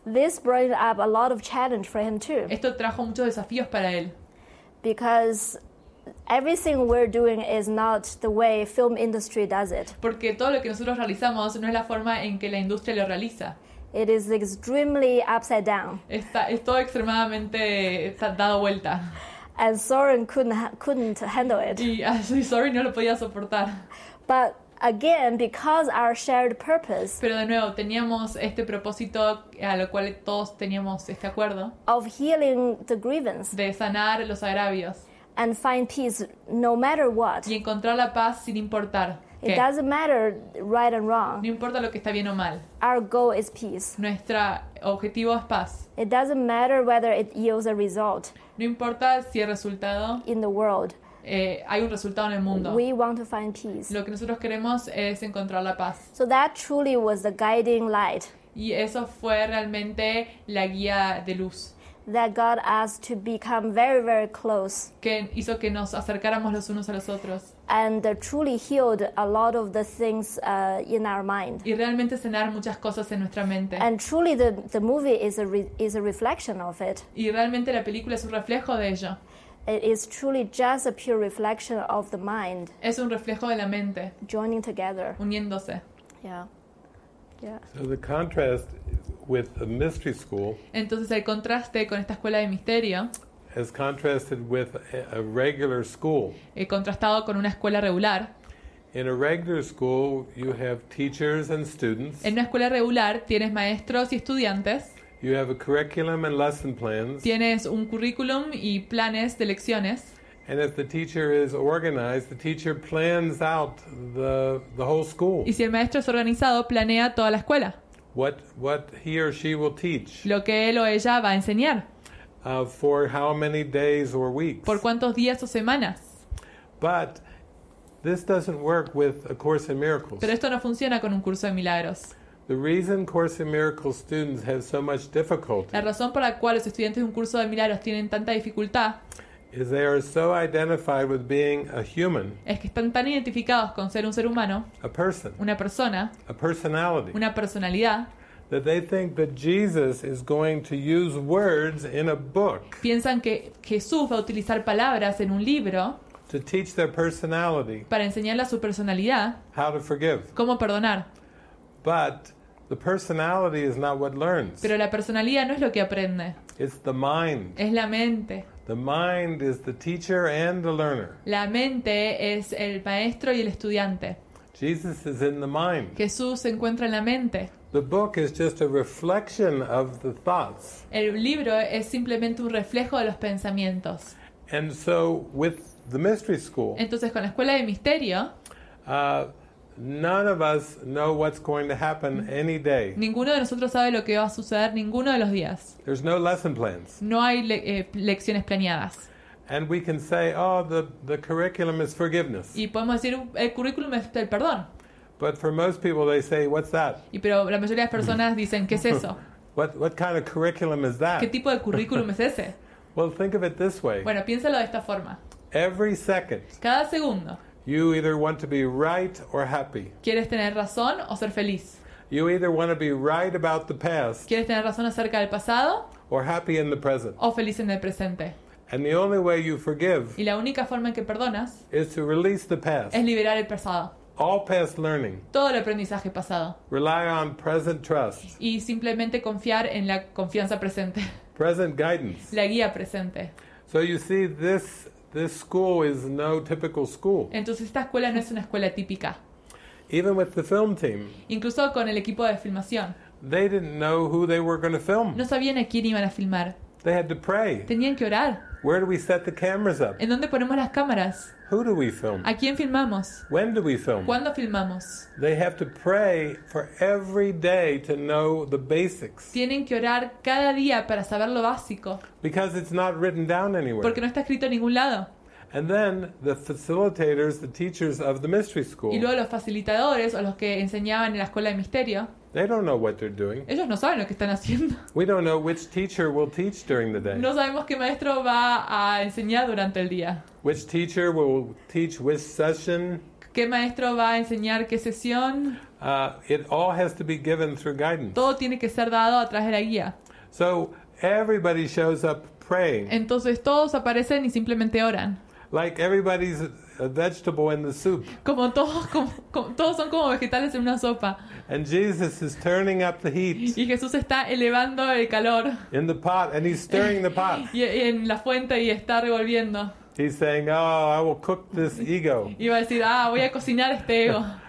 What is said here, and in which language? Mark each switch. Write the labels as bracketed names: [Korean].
[English] This brought up a lot of challenge for him too. [Spanish] Esto trajo muchos desafíos para él. [English] Because everything we're doing is not the way film industry does it. [Spanish] Porque todo lo que nosotros realizamos no es la forma en que la industria lo realiza. [English] It is extremely upside down. [Spanish] Es todo extremadamente dado vuelta. [English] And Soren couldn't handle it. [Spanish] Y Soren no lo podía soportar. [English] But again, because our shared purpose. [Spanish] Pero de nuevo, teníamos este propósito a lo cual todos teníamos este acuerdo. [English] Of healing the grievance. [Spanish] De sanar los agravios. [English] And find peace no matter what. [Spanish] Y encontrar la paz sin importar qué. [English] It doesn't matter right and wrong. [Spanish] No importa lo que está bien o mal. [English] Our goal is peace. [Spanish] Nuestro objetivo es paz. [English] It doesn't matter whether it yields a result. [Spanish] No importa si el resultado [English] in the world, [Spanish] hay un resultado en el mundo. [English] We want to find peace. [Spanish] Lo que nosotros queremos es encontrar la paz. [English] So that truly was the guiding light. [Spanish] Y eso fue realmente la guía de luz. [English] That got us to become very, very close. [Spanish] Que hizo que nos acercáramos los unos a los otros. [English] And truly healed a lot of the things in our mind. [Spanish] Y realmente sanar muchas cosas en nuestra mente. [English] And truly the movie is a reflection of it. [Spanish] Y realmente la película es un reflejo de ello. [English] It is truly just a pure reflection of the mind. [Spanish] Es un reflejo de la mente. [English] Joining together. [Spanish] Uniéndose. [English] Yeah. Yeah. So the contrast with the mystery school. [Spanish] Entonces el contraste con esta escuela de misterio. [English] Is contrasted with a regular school. [Spanish] He contrastado con una escuela regular. [English] In a regular school, you have teachers and students. [Spanish] En una escuela regular tienes maestros y estudiantes. [English] You have a curriculum and lesson plans. [Spanish] Tienes un currículum y planes de lecciones. [English] And if the teacher is organized, the teacher plans out the whole school. [Spanish] Y si el maestro es organizado, planea toda la escuela. [English] What he or she will teach. [Spanish] Lo que él o ella va a enseñar. [English] For how many days or weeks? [Spanish] Por cuántos días o semanas. [English] But this doesn't work with a Course in Miracles. [Spanish] Pero esto no funciona con un curso de milagros. [English] The reason Course in Miracles students have so much difficulty. [Spanish] La razón por la cual los estudiantes de un curso de milagros tienen tanta dificultad. [English] Is they are so identified with being a human. [Spanish] Es que están tan identificados con ser un ser humano. [English] A person. [Spanish] Una persona. [English] A personality. [Spanish] Una personalidad. [English] That they think that Jesus is going to use words in a book. [Spanish] Piensan que Jesús va a utilizar palabras en un libro. [English] To teach their personality. [Spanish] Para enseñarle a su personalidad. [English] How to forgive. [Spanish] Cómo perdonar. [English] But the personality is not what learns. [Spanish] Pero la personalidad no es lo que aprende. [English] It's the mind. [Spanish] Es la mente. [English] The mind is the teacher and the learner. [Spanish] La mente es el maestro y el estudiante. [English] Jesus is in the mind. [Spanish] Jesús se encuentra en la mente. [English] The book is just a reflection of the thoughts. [Spanish] El libro es simplemente un reflejo de los pensamientos. [English] And so with the mystery school. [Spanish] Entonces con la escuela de misterio. [English] None of us know what's going to happen any day. [Spanish] Ninguno de nosotros sabe lo que va a suceder ninguno de los días. [English] There's no lesson plans. [Spanish] No hay lecciones planeadas. [English] And we can say, oh, the curriculum is forgiveness. [Spanish] Y podemos decir el currículum es el perdón. [English] But for most people, they say, what's that? [Spanish] Y pero la mayoría de las personas dicen ¿qué es eso? [English] What kind of curriculum is that? [Spanish] ¿Qué tipo de currículum es ese? [English] Well, think of it this way. [Spanish] Bueno, piénsalo de esta forma. [English] Every second. [Spanish] Cada segundo. [English] You either want to be right or happy. [Spanish] ¿Quieres tener razón o ser feliz? [English] You either want to be right about the past. [Spanish] ¿Quieres tener razón acerca del pasado? [English] Or happy in the present. [Spanish] O feliz en el presente. [English] And the only way you forgive. [Spanish] Y la única forma en que perdonas. [English] Is to release the past. [Spanish] Es liberar el pasado. [English] All past learning. [Spanish] Todo el aprendizaje pasado. [English] Rely on present trust. [Spanish] Y simplemente confiar en la confianza presente. [English] Present guidance. [Spanish] La guía presente. [English] So you see this. This school is no typical school. [Spanish] Entonces esta escuela no es una escuela típica. [English] Even with the film team. [Spanish] Incluso con el equipo de filmación. [English] They didn't know who they were going to film. [Spanish] No sabían a quién iban a filmar. [English] They had to pray. [Spanish] Tenían que orar. [English] Where do we set the cameras up? [Spanish] ¿En dónde ponemos las cámaras? [English] Who do we film? [Spanish] ¿A quién filmamos? [English] When do we film? [Spanish] ¿Cuándo filmamos? [English] They have to pray for every day to know the basics. [Spanish] Tienen que orar cada día para saber lo básico. [English] Because it's not written down anywhere. [Spanish] Porque no está escrito en ningún lado. [English] And then the facilitators, the teachers of the mystery school. [Spanish] Y luego los facilitadores o los que enseñaban en la escuela de misterio. [English] They don't know what they're doing. [Spanish] Ellos no saben lo que están haciendo. [English] We don't know which teacher will teach during the day. [Spanish] No sabemos qué maestro va a enseñar durante el día. [English] Which teacher will teach which session? [Spanish] ¿Qué maestro va a enseñar qué sesión? [English] It all has to be given through guidance. [Spanish] Todo tiene que ser dado a través de la guía. [English] So everybody shows up praying. [Spanish] Entonces todos aparecen y simplemente oran. [English] Like everybody's a vegetable in the soup. [Spanish] Como todos son como vegetales en una sopa. [English] And Jesus is turning up the heat. [Spanish] Y Jesús está elevando el calor. [English] In the pot, and he's stirring the pot. [Spanish] Y en la fuente y está revolviendo. [English] He's saying, "Oh, I will cook this ego." [Spanish] Y va a decir, "Ah, voy a cocinar este ego."